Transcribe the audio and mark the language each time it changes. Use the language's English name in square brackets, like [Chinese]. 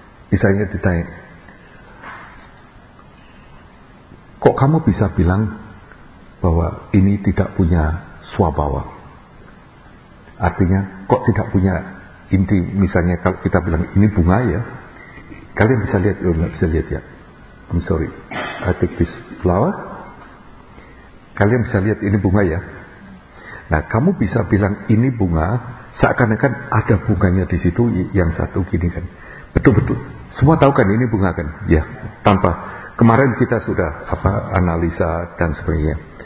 [Indonesian] Misalnya ditanya, kok kamu bisa bilang bahwa ini tidak punya swabawa? Artinya, kok tidak punya inti? Misalnya kalau kita bilang ini bunga ya, kalian bisa lihat, oh, nggak bisa lihat ya? [English] I'm sorry, I take this flower. [Indonesian] Kalian bisa lihat ini bunga ya? Nah, kamu bisa bilang ini bunga seakan-akan ada bunganya di situ yang satu gini kan? Betul-betul. Semua tahu kan ini bunga kan? Ya, tanpa kemarin kita sudah apa analisa dan sebagainya.